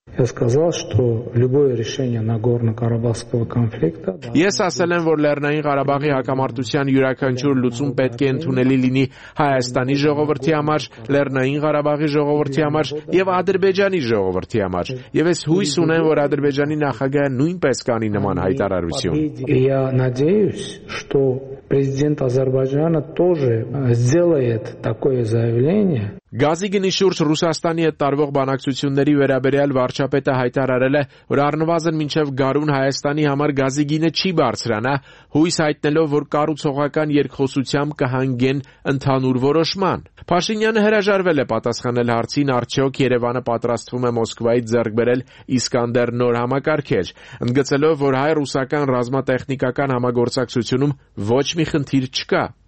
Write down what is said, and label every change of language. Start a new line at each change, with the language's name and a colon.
Armenian: Ես ասել եմ, որ Լեռնային Ղարաբաղի հակամարտության յուրաքանչյուր լուծում պետք է ընդունելի լինի Հայաստանի ժողովրդի համար, Լեռնային Ղարաբաղի ժողովրդի համար և Ադրբեջանի ժողովրդի համար։ Եվ ես հույս ունեմ, որ Ադրբեջանի նախագահը նույնպես կանի նման հայտարարություն։
Russian: Я надеюсь, что президент Азербайджана тоже сделает такое заявление.
Armenian: Գազի գնի շուրջ Ռուսաստանի հետ տարվող բանակցությունների վերաբերյալ վարչապետը հայտարարել է, որ առնվազն մինչև գարուն Հայաստանի համար գազի գինը չի բարձրանա, հույս հայտնելով, որ կառուցողական երկխոսությամբ կհանգեն ընդհանուր որոշման։ Փաշինյանը հրաժարվել է պատասխանել հարցին, արդյոք Երևանը պատրաստվում է Մոսկվայից ձեռք բերել Իսկանդեր նոր համակարգեր, ընդգծելով, որ հայ-ռուսական ռազմատեխնիկական համագործակցությունում ոչ մի խնդիր չկա։